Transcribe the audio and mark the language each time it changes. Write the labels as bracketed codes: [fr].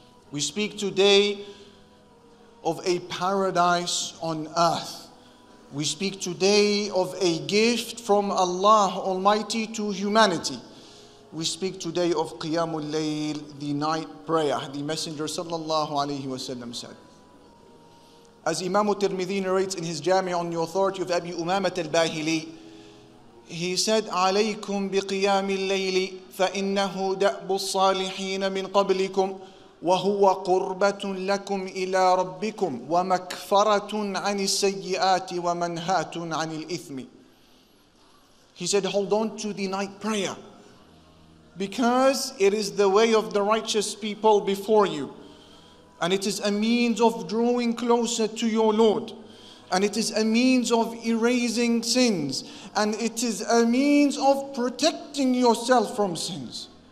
[en] We speak today of a paradise on earth. We speak today of a gift from Allah Almighty to humanity. We speak today of Qiyam al-Layl, the night prayer, the Messenger sallallahu alayhi wa sallam said. As Imam al-Tirmidhi narrates in his Jami' on the authority of Abi Umamah al-Bahili, he said, [ar] عَلَيْكُمْ بِقِيَامِ اللَّيْلِ فَإِنَّهُ دَأْبُ الصَّالِحِينَ مِنْ قَبْلِكُمْ وَهُوَ قُرْبَةٌ لَكُمْ إِلَىٰ رَبِّكُمْ وَمَكْفَرَةٌ عَنِ السَّيِّئَاتِ وَمَنْهَاتٌ عَنِ الْإِثْمِ. [en] He said, hold on to the night prayer, because it is the way of the righteous people before you, and it is a means of drawing closer to your Lord, and it is a means of erasing sins, and it is a means of protecting yourself from sins.